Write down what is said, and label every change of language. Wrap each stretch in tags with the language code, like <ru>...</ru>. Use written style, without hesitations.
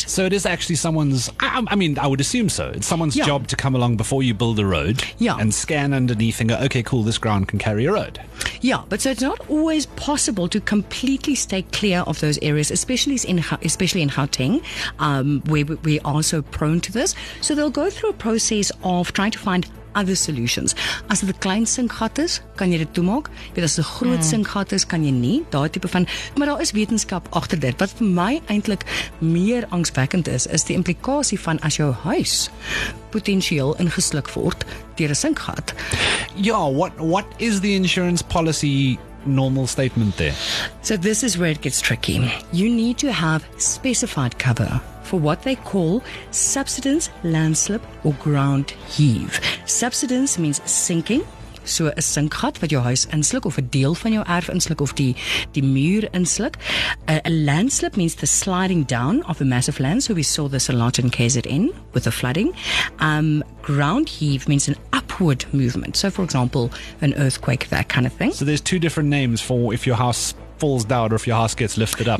<en>So it is actually someone's, I would assume so. It's someone's job to come along before you build a road and scan underneath and go, okay, cool, this ground can carry a road. Yeah, but so it's not always possible to completely stay clear of those areas, especially in Gauteng, where we are so prone to this. So they'll go through a process of trying to find other solutions.</en> <af>As dit 'n klein sinkgat is, kan jy dit toemaak. Maar as dit 'n groot sinkgat is, kan jy nie. Daai tipe van, maar daar is wetenskap agter dit. Wat vir my eintlik meer angswekkend is, is die implikasie van as jou huis potensieel ingesluk word deur 'n sinkgat.</af> <en>Ja, what is the insurance policy normal statement there? So this is where it gets tricky. You need to have specified cover for what they call subsidence, landslip or ground heave. Subsidence means sinking, so</en> <af>'n sinkgat wat jou huis insluk of 'n deel van jou erf insluk of die muur insluk.</af> <en>A landslip means the sliding down of a massive land, so we saw this a lot in KZN with the flooding. Ground heave means an upward movement, so for example, an earthquake, that kind of thing. So there's two different names for if your house falls down or if your house gets lifted up.</en>